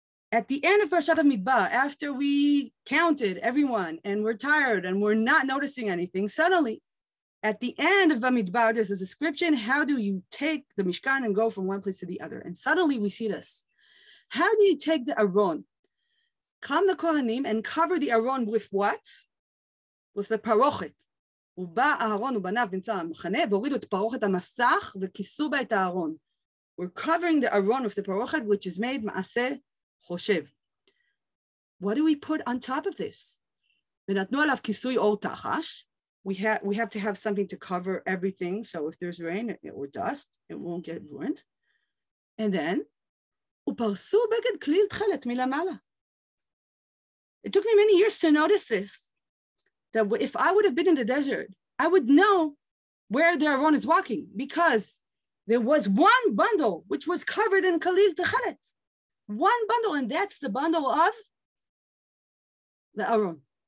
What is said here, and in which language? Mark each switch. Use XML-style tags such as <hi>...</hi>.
<en>At the end of Parashat Midbar, after we counted everyone and we're tired and we're not noticing anything, suddenly, at the end of Bamidbar, there's a description, how do you take the Mishkan and go from one place to the other? And suddenly we see this. How do you take the Aron? Come the Kohanim and cover the Aron with what? With the Parochet,</en> <he>ובא אהרון ובניו נמצא המחנה, והורידו את פרוכת המסך, וכיסו בה את אהרון.</he> <en>We're covering the aron of the parochet, which is made ma'ase choshev. What do we put on top of this?</en> <he>ונתנו עליו כיסוי אור תחש.</he> <en>We have to have something to cover everything, so if there's rain or dust, it won't get ruined. And then,</en> <he>ופרסו בגד כליל תחלת מלמעלה.</he> <en>It took me many years to notice this, that if I would have been in the desert, I would know where the aron is walking, because there was one bundle which was covered in kalil techelet. One bundle, and that's the bundle of the aron.</en>